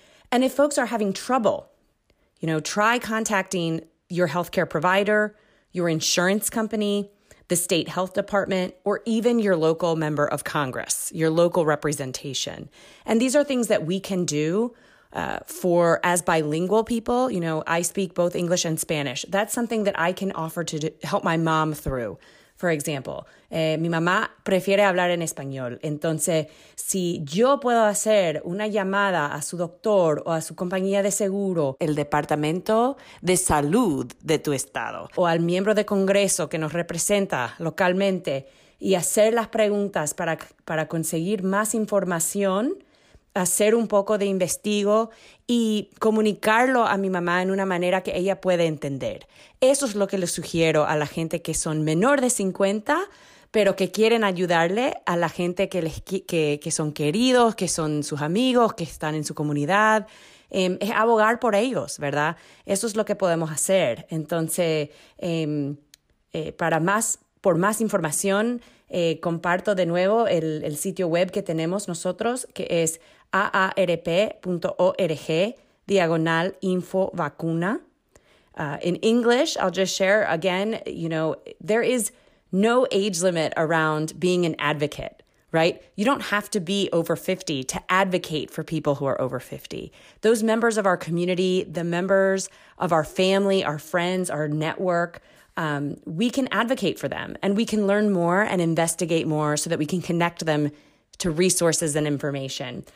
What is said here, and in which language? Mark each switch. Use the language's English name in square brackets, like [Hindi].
[English] And if folks are having trouble, you know, try contacting your healthcare provider, your insurance company, the state health department, or even your local member of Congress, your local representation. And these are things that we can do. For as bilingual people, you know, I speak both English and Spanish. That's something that I can offer to help my mom through. For example, [Spanish] mi mamá prefiere hablar en español. Entonces, si yo puedo hacer una llamada a su doctor o a su compañía de seguro, el departamento de salud de tu estado, o al miembro de Congreso que nos representa localmente, y hacer las preguntas para conseguir más información, hacer un poco de investigo y comunicarlo a mi mamá en una manera que ella puede entender. Eso es lo que le sugiero a la gente que son menor de 50, pero que quieren ayudarle a la gente que son queridos, que son sus amigos, que están en su comunidad. Es abogar por ellos, ¿verdad? Eso es lo que podemos hacer. Entonces, por más información, comparto de nuevo el sitio web que tenemos nosotros, que es aarp.org/infovacuna. [English] In English, I'll just share again, you know, there is no age limit around being an advocate, right? You don't have to be over 50 to advocate for people who are over 50. Those members of our community, the members of our family, our friends, our network, we can advocate for them and we can learn more and investigate more so that we can connect them to resources and information.